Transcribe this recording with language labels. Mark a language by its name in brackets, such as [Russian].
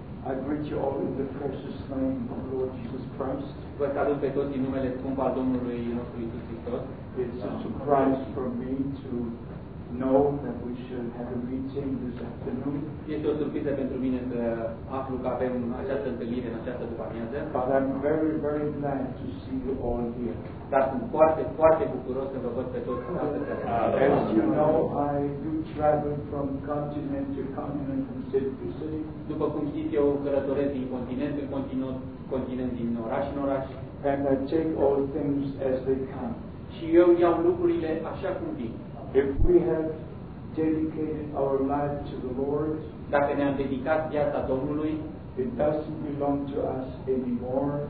[English] I greet you all in the precious name of the Lord Jesus Christ. [Romanian] Vă salut pe toți în numele scump al Domnului nostru Iisus Hristos. [English] It's a surprise for me to know that we should have a meeting this afternoon. [Romanian] Este o surpriză pentru mine să aflu că avem această întâlnire în această după-amiază. [English] But I'm very, very glad to see you all here. [Romanian] Dar sunt foarte, foarte bucuros să vă văd pe toți astăzi. [English] As you know, I do travel from continent to continent from city to city. [Romanian] După cum știți, eu călătoresc din continent în continent, din oraș în oraș. [English] And I take all things as they come. [Romanian] Și eu iau lucrurile așa cum vin. [English] If we have dedicated our life to the Lord, [Romanian] dacă ne-am dedicat viața Domnului, [English] it doesn't belong to us anymore.